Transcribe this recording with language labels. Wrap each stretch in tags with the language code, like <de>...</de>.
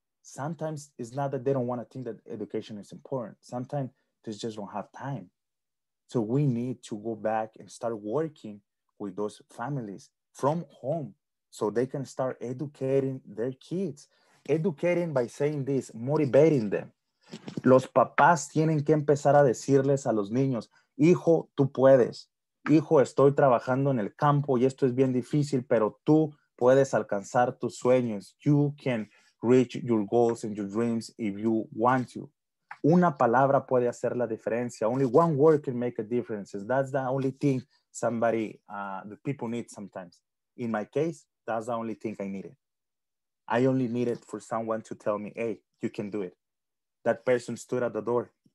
<en>Sometimes it's not that they don't want to think that education is important. Sometimes they just don't have time. So we need to go back and start working with those families from home so they can start educating their kids. Educating by saying this, motivating them.</en> <es>Los papás tienen que empezar a decirles a los niños, hijo, tú puedes. Hijo, estoy trabajando en el campo y esto es bien difícil, pero tú puedes alcanzar tus sueños.</es> <en>You can reach your goals and your dreams if you want to.</en> <es>Una palabra puede hacer la diferencia.</es> <en>Only one word can make a difference. That's the only thing somebody, the people need sometimes. in my case, that's the only thing I needed. I only needed for someone to tell me, hey, you can do it. That person stood at the door.</en>